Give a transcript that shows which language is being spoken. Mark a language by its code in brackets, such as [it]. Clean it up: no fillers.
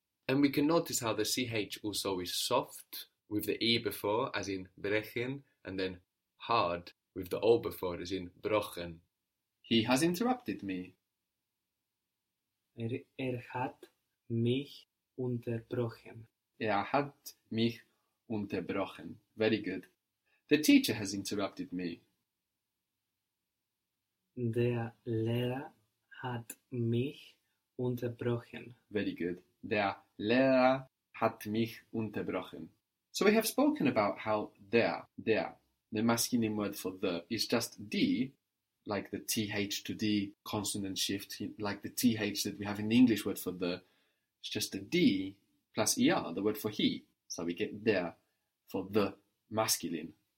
[en] And we can notice how the ch also is soft with the e before, as in brechen, and then hard with the o before, as in brochen. He has interrupted me. [de] Hat mich unterbrochen. Hat mich unterbrochen. [en] Very good. The teacher has interrupted me. [de] Der Lehrer hat mich unterbrochen. [en] Very good. [de] Der Lehrer hat mich unterbrochen. [en] So we have spoken about how der, the masculine word for the, is just D, like the TH to D consonant shift, like the TH that we have in the English word for the. It's just a D plus ER, the word for he. So we get der for the masculine.